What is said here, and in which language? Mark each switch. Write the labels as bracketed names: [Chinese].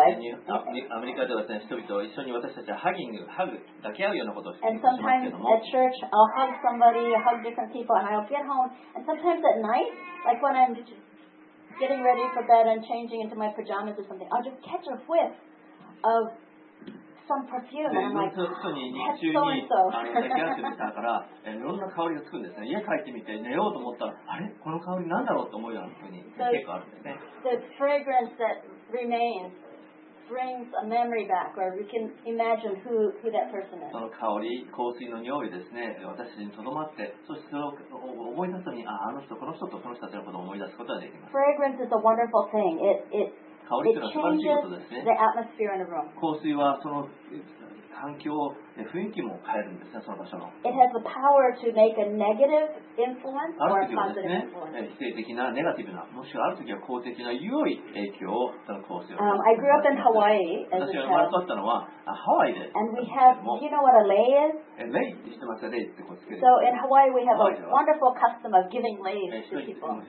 [English] And sometimes at church, I'll hug somebody, hug different people, and I'll get home. And sometimes at night, like when I'm getting ready for bed and changing into my pajamas or something, I'll just catch a whiff of some perfume, and I'm like, that's so and so. [Japanese] いろんな香りがつくんですね。家帰ってみて寝ようと思ったら、あれこの香りなんだろうと思うような風に結構あるんですね。 [English] The fragrance that remains brings a memory back where we can imagine who that person is. [Japanese] その香り、香水の匂いですね、私にとどまって、そしてそれを思い出すのに、あの人、この人とその人たちのことを思い出すことができます。 [English] Fragrance is a wonderful thing. It [Japanese] 香りというのは素晴らしいことですね。 [English] The atmosphere in a room. [Japanese] 香水はその環境、雰囲気も変えるんですね、その場所の。 [English] It has the power to make a negative influence or a positive influence. [Japanese] ある時はですね、否定的なネガティブな、もしくはある時は肯定的な良い影響をその香水を。 [English] I grew up in Hawaii. [Japanese] 私が生まれ育ったのはハワイで。 [English] And we have, do you know what a lei is? [Japanese] レイって知ってますか、レイってこうつける。 [English] So in Hawaii we have a wonderful custom of giving leis to people.